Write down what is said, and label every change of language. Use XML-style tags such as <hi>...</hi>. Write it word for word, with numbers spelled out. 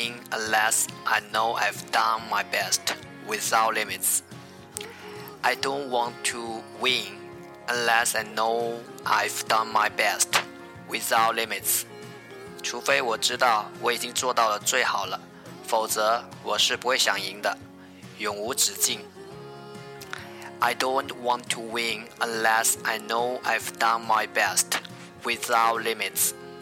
<en>Unless I know I've done my best without limits. I don't want to win unless I know I've done my best without limits.</en> <zh>除非我知道我已经做到了最好了，否则我是不会想赢的，永无止境。</zh> <en>I don't want to win unless I know I've done my best without limits.</en>